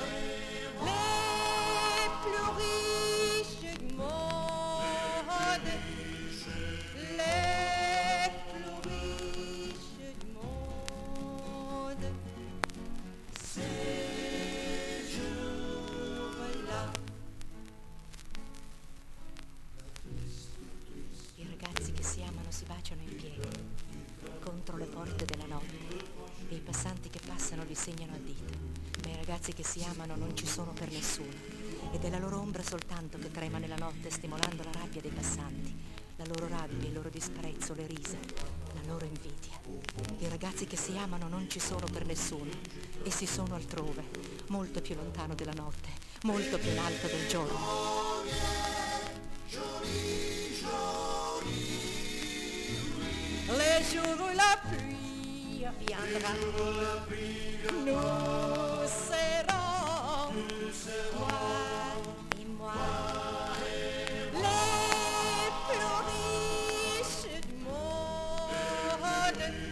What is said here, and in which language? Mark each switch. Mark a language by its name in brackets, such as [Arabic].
[French] les plus riches du monde, les plus riches du monde. Ces jours-là, [Italian] i ragazzi che si amano si baciano in piedi contro le porte della notte e i passanti che passano li segnano a dito, ma i ragazzi che si amano non ci sono per nessuno ed è la loro ombra soltanto che trema nella notte stimolando la rabbia dei passanti, la loro rabbia, il loro disprezzo, le risa, la loro invidia. I ragazzi che si amano non ci sono per nessuno e si sono altrove, molto più lontano della notte, molto più in alto del giorno. [French] Les jours où la pluie viendra, nous serons toi et moi. Les plus riches du monde,